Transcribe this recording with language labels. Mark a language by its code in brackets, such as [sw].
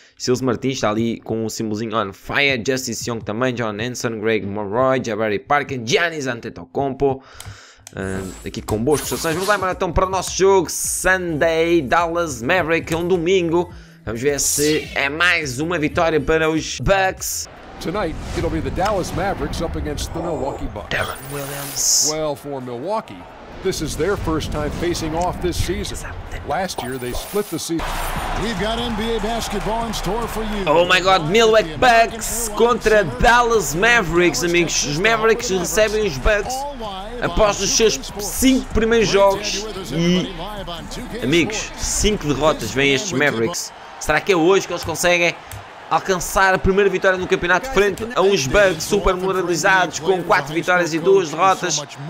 [pt] Sills Martins está ali com o símbolozinho on fire. Justice Young também, John Anderson, Greg Monroy, Jabari Parker, Giannis Antetokounmpo. Aqui com boas prestações. Vamos lá embora então para o nosso jogo Sunday Dallas Maverick, é um domingo. Vamos ver se é mais uma vitória para os Bucks. [en] Tonight it'll be the Dallas Mavericks up against the Milwaukee Bucks. Darren Williams. Well, for Milwaukee, this is their first time facing off this season. Last year they split the season. We've got NBA basketball in store for you. Oh my God, [pt] Milwaukee Bucks contra Dallas Mavericks, amigos. Os Mavericks recebem os Bucks após os seus 5 primeiros jogos e, amigos, 5 derrotas vêm estes Mavericks. Será que é hoje que eles conseguem alcançar a primeira vitória no campeonato frente a uns Bucks super moralizados com 4 vitórias e 2 derrotas?